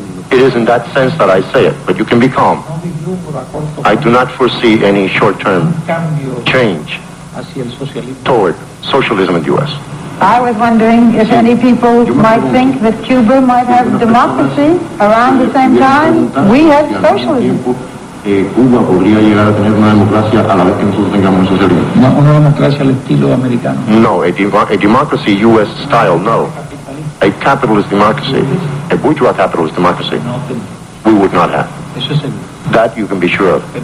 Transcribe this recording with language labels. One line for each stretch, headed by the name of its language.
English: It is in that sense that I say it, but you can be calm. I do not foresee any short-term change toward socialism in the U.S. I was wondering if any people might think that Cuba might have democracy around the same time we had socialism.
Spanish: Cuba podría llegar a tener una democracia a la vez que nosotros tengamos socialismo. Una democracia al estilo americano.
English: No, a democracy U.S. style, no. A capitalist democracy, a bourgeois capitalist democracy, we would not have. That you can be sure of.